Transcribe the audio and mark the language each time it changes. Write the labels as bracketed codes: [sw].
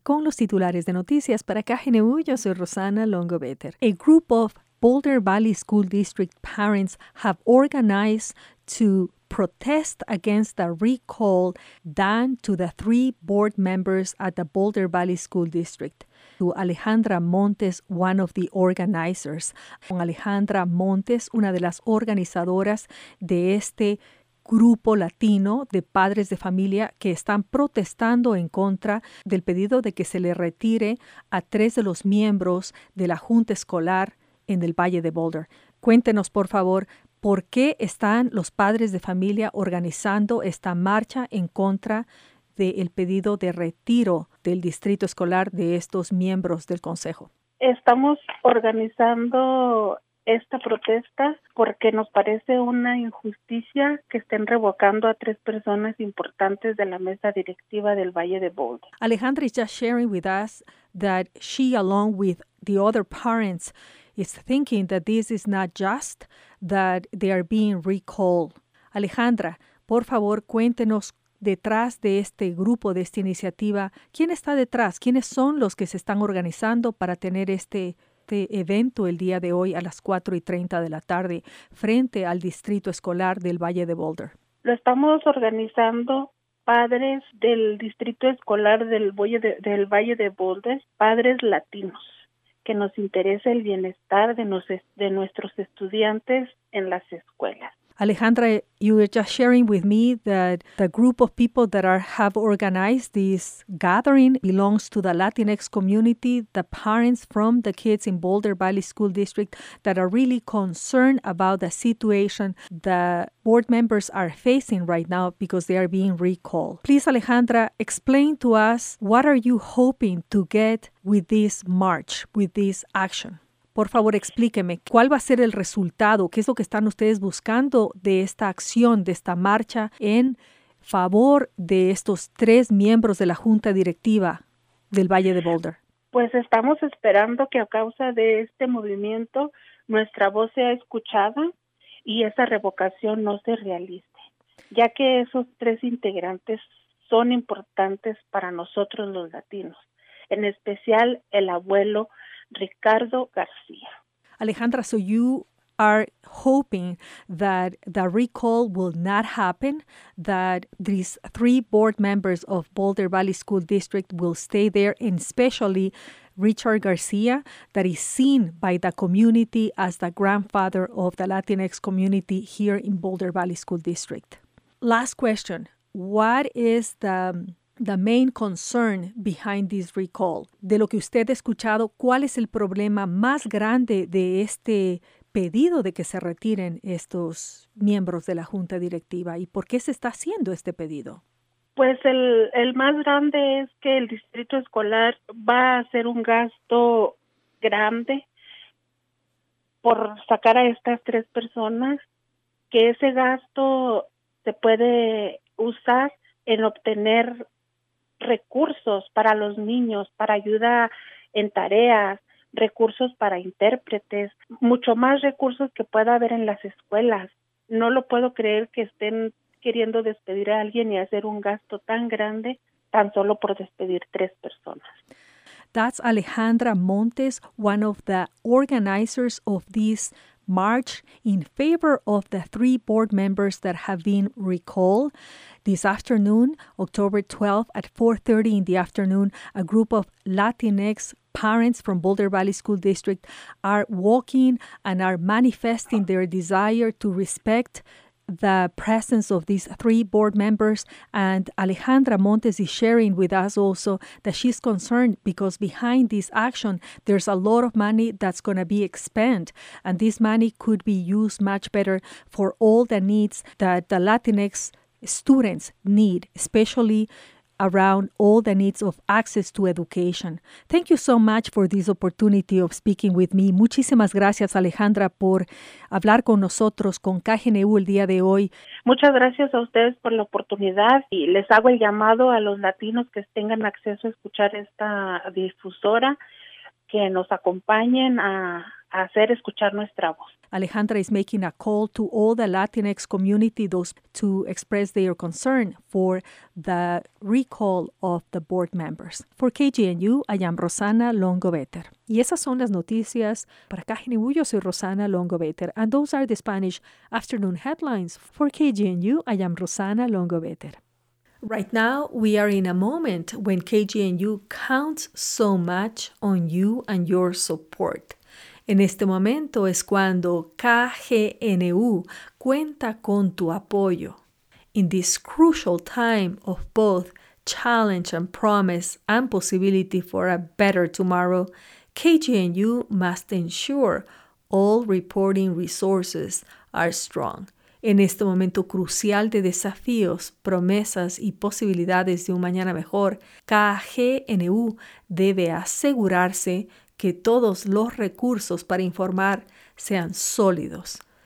[es] Con los titulares de noticias para KGNU, yo soy Rosana Longobetter. [en] A group of Boulder Valley School District parents have organized to protest against the recall done to the three board members at the Boulder Valley School District. To Alejandra Montes, one of the organizers. [es] Con Alejandra Montes, una de las organizadoras de este grupo latino de padres de familia que están protestando en contra del pedido de que se le retire a tres de los miembros de la junta escolar en el Valle de Boulder. Cuéntenos, por favor, ¿por qué están los padres de familia organizando esta marcha en contra del pedido de retiro del distrito escolar de estos miembros del consejo? Estamos organizando esta protesta porque nos parece una injusticia que estén revocando a tres personas importantes de la mesa directiva del Valle de Boulder. [en] Alejandra is just sharing with us that she, along with the other parents, is thinking that this is not just, that they are being recalled. [es] Alejandra, por favor, cuéntenos detrás de este grupo, de esta iniciativa, ¿quién está detrás? ¿Quiénes son los que se están organizando para tener este evento el día de hoy a las 4:30 de la tarde frente al Distrito Escolar del Valle de Boulder? Lo estamos organizando padres del Distrito Escolar del Valle de Boulder, padres latinos, que nos interesa el bienestar de nuestros estudiantes en las escuelas. [en] Alejandra, you were just sharing with me that the group of people that have organized this gathering belongs to the Latinx community, the parents from the kids in Boulder Valley School District that are really concerned about the situation the board members are facing right now because they are being recalled. Please, Alejandra, explain to us, what are you hoping to get with this march, with this action? [es] Por favor, explíqueme, ¿cuál va a ser el resultado? ¿Qué es lo que están ustedes buscando de esta acción, de esta marcha en favor de estos tres miembros de la junta directiva del Valle de Boulder? Pues estamos esperando que a causa de este movimiento nuestra voz sea escuchada y esa revocación no se realice, ya que esos tres integrantes son importantes para nosotros los latinos, en especial el abuelo Ricardo García. [en] Alejandra, so you are hoping that the recall will not happen, that these three board members of Boulder Valley School District will stay there, and especially Richard García, that is seen by the community as the grandfather of the Latinx community here in Boulder Valley School District. Last question. What is the main concern behind this recall? [es] De lo que usted ha escuchado, ¿cuál es el problema más grande de este pedido de que se retiren estos miembros de la junta directiva y por qué se está haciendo este pedido? Pues el más grande es que el distrito escolar va a hacer un gasto grande por sacar a estas tres personas, que ese gasto se puede usar en obtener recursos para los niños, para ayuda en tareas, recursos para intérpretes, mucho más recursos que pueda haber en las escuelas. No lo puedo creer que estén queriendo despedir a alguien y hacer un gasto tan grande tan solo por despedir tres personas. [en] That's Alejandra Montes, one of the organizers of this march in favor of the three board members that have been recalled. This afternoon, October 12th at 4:30 in the afternoon, a group of Latinx parents from Boulder Valley School District are walking and are manifesting their desire to respect the presence of these three board members. And Alejandra Montes is sharing with us also that she's concerned because behind this action, there's a lot of money that's going to be expended. And this money could be used much better for all the needs that the Latinx students need, especially around all the needs of access to education. Thank you so much for this opportunity of speaking with me. [es] Muchísimas gracias, Alejandra, por hablar con nosotros, con KGNU el día de hoy. Muchas gracias a ustedes por la oportunidad y les hago el llamado a los latinos que tengan acceso a escuchar esta difusora, que nos acompañen hacer escuchar nuestra voz. [en] Alejandra is making a call to all the Latinx community, those to express their concern for the recall of the board members. For KGNU, I am Rosana Longobetter. [es] Y esas son las noticias. Para KGNU, yo soy Rosana Longobetter. [en] And those are the Spanish afternoon headlines. For KGNU, I am Rosana Longobetter. Right now, we are in a moment when KGNU counts so much on you and your support. [es] En este momento es cuando KGNU cuenta con tu apoyo. [en] In this crucial time of both challenge and promise and possibility for a better tomorrow, KGNU must ensure all reporting resources are strong. [es] En este momento crucial de desafíos, promesas y posibilidades de un mañana mejor, KGNU debe asegurarse que todos los recursos para informar sean sólidos.